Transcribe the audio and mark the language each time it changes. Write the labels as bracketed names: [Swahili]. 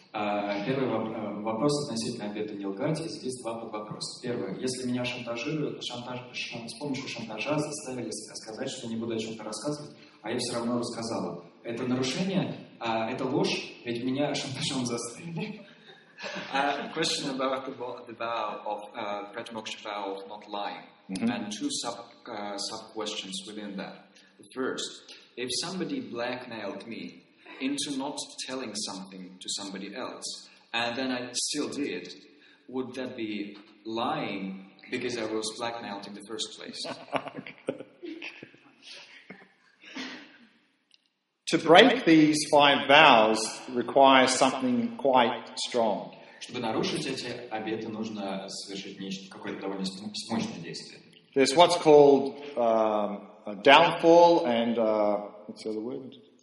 [Russian] Первый вопрос относительно обета не лгать. Здесь два подвопроса. Первое. Если меня шантажируют, с помощью шантажа заставили сказать, что не буду о чем-то рассказывать, а я все равно рассказала. Это нарушение? Это ложь? Ведь меня шантажом заставили. [English] Question about the vow of pratimoksha vow of not lying. Mm-hmm. And two sub-questions within that. The first. If somebody blackmailed me into not telling something to somebody else, and then I still did, would that be lying because I was blackmailed in the first place? To break these five vows requires something quite strong. [Russian] Чтобы нарушить эти обеты, нужно совершить нечто какое-то довольно мощное действие. [English] There's what's called a downfall and what's the other word?